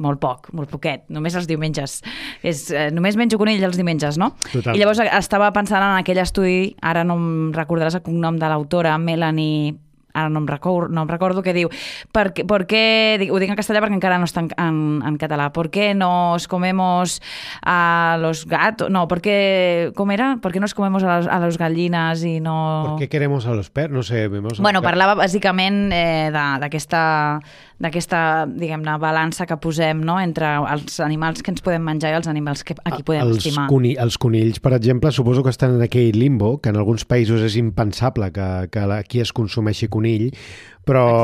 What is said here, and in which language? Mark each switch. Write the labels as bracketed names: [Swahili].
[Catalan] Molt poc, molt poquet, només els diumenges. Només menjo conill els diumenges, no? Total. I llavors estava pensant en aquell estudi, ara no em recordaràs el cognom de l'autora, Melanie... Ara no em recordo què diu. Per què, ho dic en castellà perquè encara no està en català. [Spanish] ¿Por qué nos comemos a los gatos? No, ¿por qué, [Catalan] com era? [Spanish] ¿Por qué nos comemos a las gallinas y no...? ¿Por qué queremos a los perros? No sé. Vemos [Catalan] bueno, parlava bàsicament d'aquesta, diguem-ne, balança que posem, no?, entre els animals que ens podem menjar i els animals a qui podem estimar. Els conills, per exemple, suposo que estan en aquell limbo, que en alguns països és impensable que aquí es consumeixi conill, però